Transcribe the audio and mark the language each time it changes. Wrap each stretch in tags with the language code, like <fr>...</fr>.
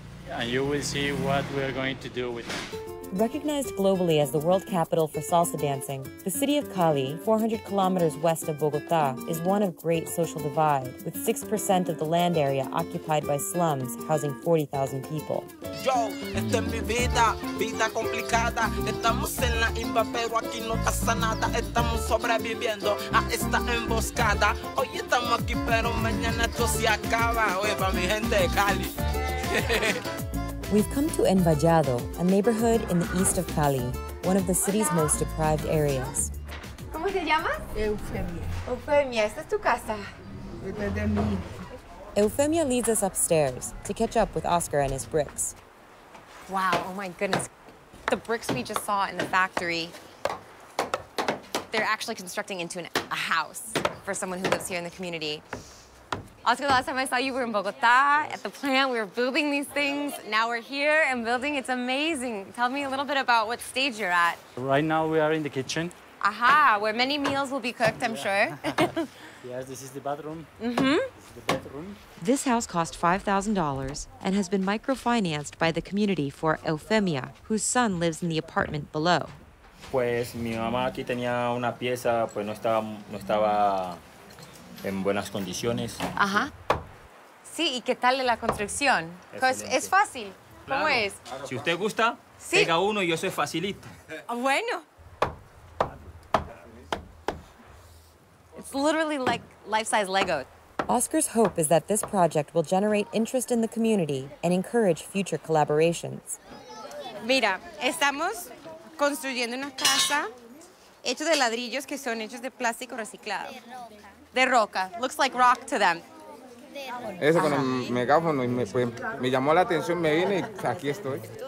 <en>And you will see what we're going to do with them. Recognized globally as the world capital for salsa dancing, the city of Cali, 400 kilometers west of Bogota, is one of great social divide, with 6% of the land area occupied by slums housing 40,000 people.</en> <es>Yo, esta es mi vida, vida complicada. Estamos en la imba, pero aquí no pasa nada. Estamos sobreviviendo a esta emboscada. Hoy estamos aquí, pero mañana esto se acaba. Oye, pa' mi gente de Cali.</es> <en>We've come to Envallado, a neighborhood in the east of Cali, one of the city's most deprived areas.</en> <es>¿Cómo te llamas? Eufemia. Eufemia, esta es tu casa. Esta es de mí.</es> <en>Eufemia leads us upstairs to catch up with Oscar and his bricks. Wow, oh my goodness. The bricks we just saw in the factory, they're actually constructing into a house for someone who lives here in the community. Oscar, the last time I saw you, we were in Bogota, at the plant. We were building these things. Now we're here and building. It's amazing. Tell me a little bit about what stage you're at. Right now, we are in the kitchen. Aha, where many meals will be cooked, I'm sure. Yes, this is the bathroom. Mm-hmm. This is the bathroom. This house cost $5,000 and has been microfinanced by the community for Eufemia, whose son lives in the apartment below.</en> <es>Pues, mi mamá aquí tenía una pieza, pues no estaba... en buenas condiciones. Ajá. Sí, ¿y qué tal de la construcción? Pues es fácil. ¿Cómo claro, es? Claro. Si usted gusta, sí. Pega uno y yo soy facilito. Bueno.</es> <en>It's literally like life-size Lego. Oscar's hope is that this project will generate interest in the community and encourage future collaborations.</en> <es>Mira, estamos construyendo una casa hecha de ladrillos que son hechos de plástico reciclado. De roca.</es> <en>Looks like rock to them.</en> <es>Eso con el megáfono y me llamó la atención, me vine y aquí estoy.</es>